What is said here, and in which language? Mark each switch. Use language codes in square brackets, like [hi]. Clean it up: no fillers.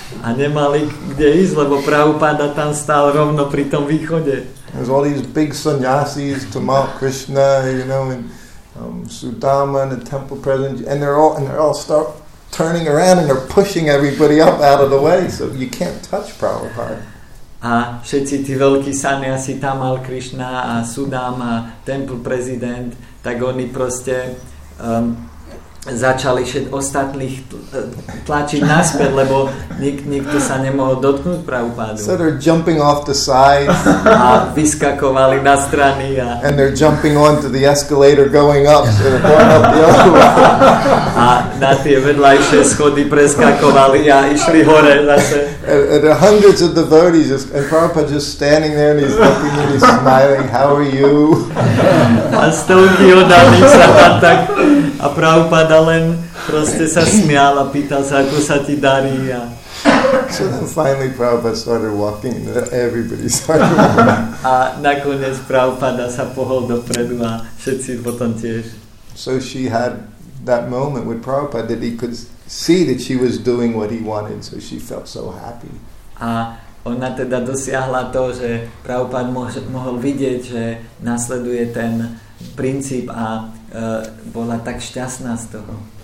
[sk] A nemali kde ísť, lebo Prabhupada tam stál rovno pri tom východe. [en] There's all these big sannyasis, Tamal Krishna, you know, and Sudama and the temple president, and they're all start turning around and they're pushing everybody up out of the way, so you can't touch Prabhupada. [sk] A všetci tí veľkí sannyasi, Tamal Krishna a Sudama, temple president, tak oni proste začali všetkých ostatných tlačiť naspäť, lebo nikto sa nemohol dotknúť Prabhupádu. [en] So they're jumping off the sides. [sk] A vyskakovali na strany. A [en] and they're jumping onto the escalator going up. So they're going up the other way. [sk] A na tie vedľajšie schody preskakovali a išli hore zase. [en] And there are hundreds of devotees just, and Prabhupada just standing there and he's looking and he's smiling. How are you? [sk] A stovky odaní sa tam tak. A Prabhupada len proste sa smial a pýtal sa, ako sa ti darí. A [en] so then finally Prabhupada started walking and everybody started walking. [sk] A nakoniec Prabhupada sa pohol dopredu a všetci potom tiež. [en] So she had that moment with Prabhupada that he could see that she was doing what he wanted, so she felt so happy. [sk] A ona teda dosiahla to, že Prabhupada mohol vidieť, že nasleduje ten princíp a bola tak šťastná z toho.